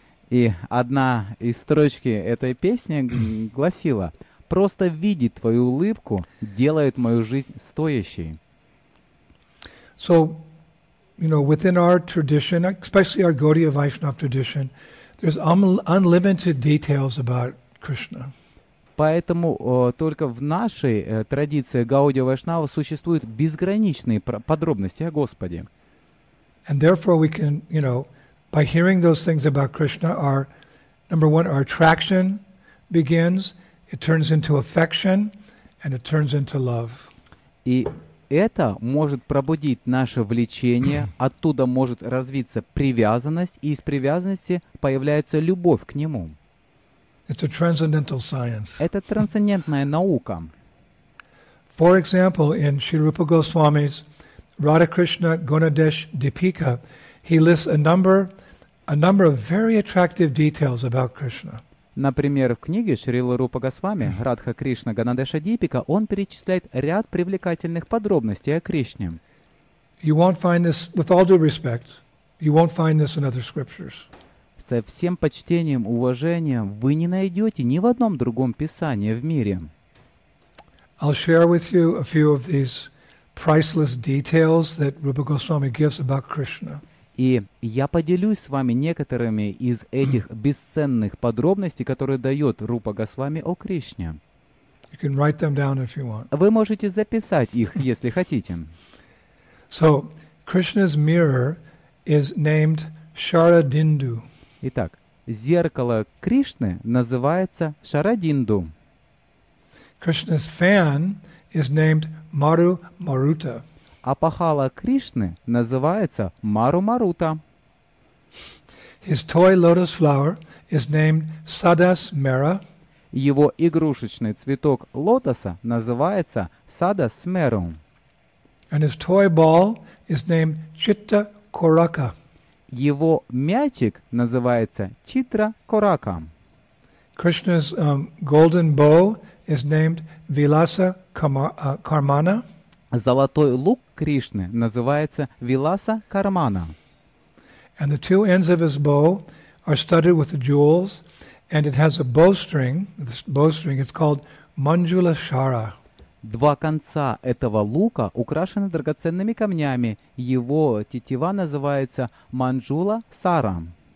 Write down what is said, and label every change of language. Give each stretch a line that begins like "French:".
Russian: И одна из строчки этой песни гласила: просто видеть твою улыбку делает мою жизнь стоящей.
English: So, you know, within our tradition, especially our Gaudiya Vaishnav tradition, there's unlimited details about Krishna.
Russian: Поэтому только в нашей традиции Гаудия Вайшнава существуют безграничные подробности о Господе.
English: And therefore we can, you know, by hearing those things about Krishna, our number one, our attraction begins. It turns into affection, and it turns into love.
Russian: И это может пробудить наше влечение, оттуда может развиться привязанность, и из привязанности появляется любовь к нему.
English: It's a transcendental science.
Russian: Это трансцендентная наука.
English: For example, in Sri Rupa Goswami's Radha Krishna Gonadesh Deepika, he lists a number of very attractive details about Krishna.
Russian: Например, в книге Шрилы Рупа Госвами «Радха Кришна Ганадеша Дипика» он перечисляет ряд привлекательных подробностей о Кришне.
English: You won't find this, with all due respect, you won't find this in other scriptures.
Russian: Со всем почтением, уважением, вы не найдете ни в одном другом писании в мире.
English: I'll share with you a few of these priceless details that Rupa Goswami gives about Krishna.
Russian: И я поделюсь с вами некоторыми из этих бесценных подробностей, которые дает Рупа Госвами о Кришне.
English: You can write them down if you want.
Russian: Вы можете записать их, если хотите.
English: So, Krishna's mirror is named Sharadindu.
Russian: Итак, зеркало Кришны называется Шарадинду.
English: Krishna's fan is named Maru Maruta.
Russian: Апахала Кришны называется Мару Марута.
English: His toy lotus flower is named Sadas Mera.
Russian: Его игрушечный цветок лотоса называется Sadas Meru.
English: And his toy ball is named Chitta Koraka.
Russian: Его мячик называется Читра Корака.
English: Krishna's golden bow is named Vilasa Karmana.
Russian: Золотой лук Кришны называется Виласа Кармана.
English: And the two ends of his bow are studded with jewels, and it has a bowstring. This bowstring is called Manjula Shara.
Russian: Два конца этого лука украшены драгоценными камнями. Его тетива называется Манджула Сарам.